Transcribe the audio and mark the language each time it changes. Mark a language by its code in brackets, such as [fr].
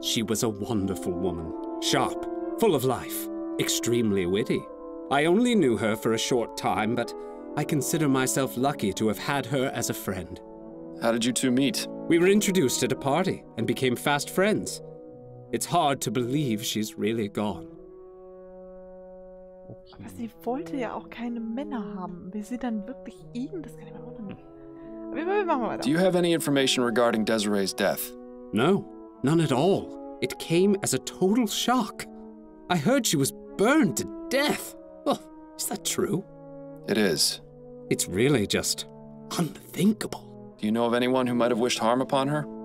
[en] She was a wonderful woman. Sharp, full of life, extremely witty. I only knew her for a short time, but I consider myself lucky to have had her as a friend. How did you two meet? We were introduced at a party and became fast friends. It's hard to believe she's really gone. [de] Aber sie wollte ja auch keine Männer haben. Will sie dann wirklich ihn? Das kann ich mir auch nicht. Aber wir machen weiter. [en] Do you have any information regarding Desiree's death? No, none at all. It came as a total shock. I heard she was burned to death. Oh, is that true? It is. It's really just unthinkable. Do you know of anyone who might have wished harm upon her?